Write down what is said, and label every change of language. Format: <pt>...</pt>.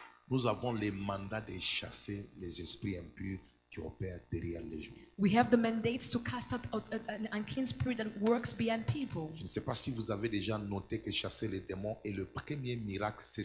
<fr>Nous avons le mandat de chasser les esprits impurs qui opèrent derrière les gens.</fr> <en>We have the mandate to cast out an unclean spirit that works behind people.</en> <fr>Je ne sais pas si vous avez déjà noté que chasser les démons est le premier miracle.</fr>